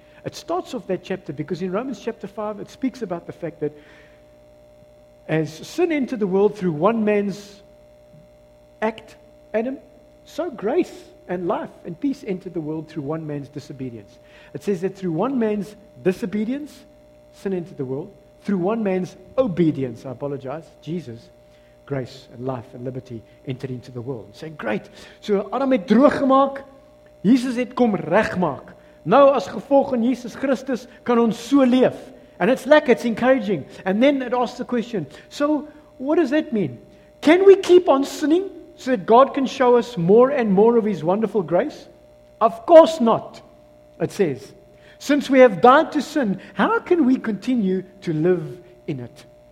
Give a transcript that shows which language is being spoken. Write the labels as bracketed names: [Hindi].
[English] It starts off that chapter because in Romans chapter 5, it speaks about the fact that as sin entered the world through one man's act, Adam, so grace and life and peace entered the world through one man's disobedience. It says that through one man's disobedience, sin entered the world. Through one man's obedience, I apologize, Jesus, grace and life and liberty entered into the world. Say, great. [Afrikaans] So Adam het droog gemaak, Jesus het kom reg maak. Nou, as gevolg van Jesus Christus, kan ons so leef. [English] And it's like, it's encouraging. And then it asks the question, so what does that mean? Can we keep on sinning so that God can show us more and more of His wonderful grace? Of course not, it says. Since we have died to sin, how can we continue to live in it?